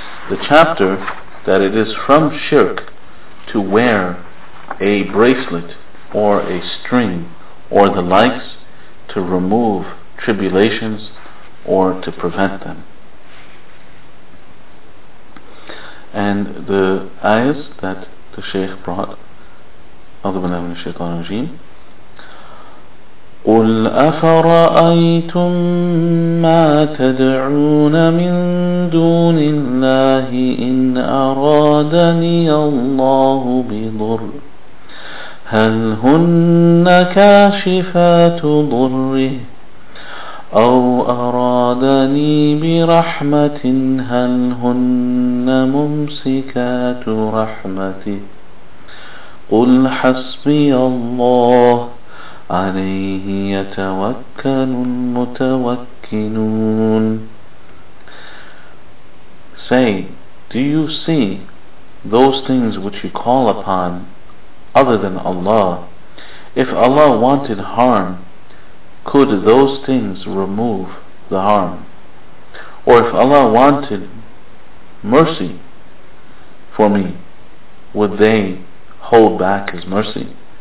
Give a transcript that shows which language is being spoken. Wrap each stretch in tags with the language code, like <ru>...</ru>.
<en>The chapter that it is from shirk to wear a bracelet or a string or the likes to remove tribulations or to prevent them. And the ayahs that the shaykh brought,</en> <ar>أعوذ بالله من الشيطان الرجيم. قل أفرأيتم ما تدعون من دون الله إن أرادني الله بضر هل هن كاشفات ضره أو أرادني برحمة هل هن ممسكات رحمته قل حسبي الله عليه يتوكل المتوكلون.</ar> <en>Say, do you see those things which you call upon other than Allah? If Allah wanted harm, could those things remove the harm? Or if Allah wanted mercy for me, would they hold back His mercy?</en>